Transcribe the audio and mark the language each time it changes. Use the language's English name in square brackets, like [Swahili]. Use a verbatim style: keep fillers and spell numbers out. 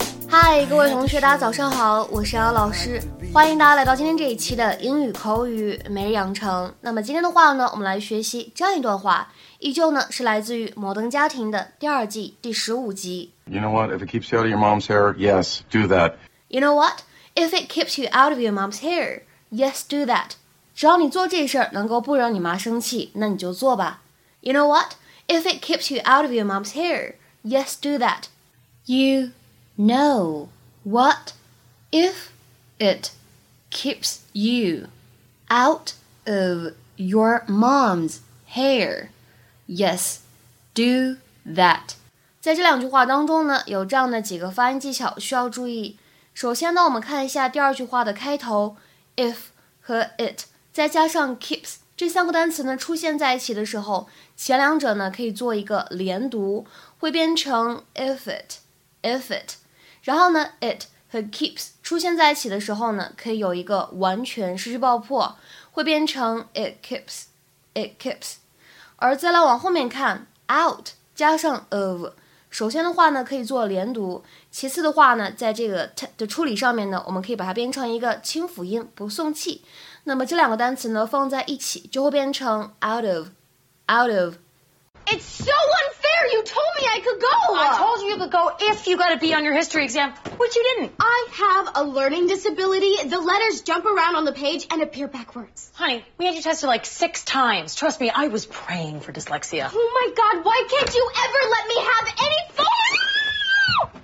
[Chinese] Hi， 各位同学，大家早上好，我是姚老师，欢迎大家来到今天这一期的英语口语每日养成。那么今天的话呢，我们来学习这样一段话，依旧呢是来自于《摩登家庭》的第二季第十五集。 [English] You know what? If it keeps you out of your mom's hair, yes, do that. You know what? If it keeps you out of your mom's hair, yes, do that. [Chinese] 只要你做这事儿能够不惹你妈生气，那你就做吧。 [English] You know what? If it keeps you out of your mom's hair, yes, do that. You know what? If it keeps you out of your mom's hair, yes, do that. [Chinese] 在这两句话当中呢，有这样的几个发音技巧需要注意。首先呢，我们看一下第二句话的开头 if 和 it 再加上 keeps 这三个单词呢出现在一起的时候，前两者呢可以做一个连读，会变成 [English] if it if it， [Chinese] 然后呢 it 和 keeps 出现在一起的时候呢，可以有一个完全失去爆破，会变成 [English] it keeps it keeps。 [Chinese] 而再来往后面看 out 加上 of，首先的话呢可以做连读，其次的话呢在这个 t 的处理上面呢，我们可以把它变成一个清辅音不送气，那么这两个单词呢放在一起就会变成 [English] out of out of。 It's so unfair, you told me I could go. I told you you could go if you got a B on your history exam, which you didn't. I have a learning disability. The letters jump around on the page and appear backwards. Honey, we had you tested like six times. Trust me, I was praying for dyslexia. Oh my God, why can't you ever let me have any fun?